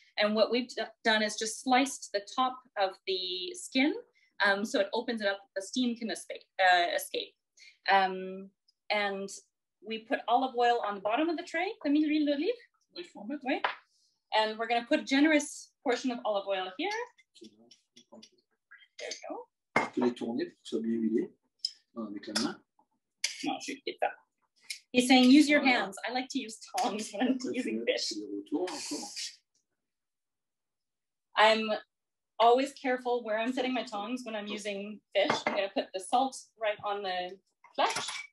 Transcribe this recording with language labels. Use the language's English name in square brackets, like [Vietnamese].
[English] And what we've done is just sliced the top of the skin so it opens it up, the steam can escape. And we put olive oil on the bottom of the tray. And we're gonna put generous portion of olive oil here. There we go. [French] Tu peux les tourner pour que ce soit bien huilé avec la main. Non, je vais pas. [English] He's saying use your hands. I like to use tongs when using fish. I'm always careful where I'm setting my tongs when I'm using fish. I'm going to put the salt right on the flesh.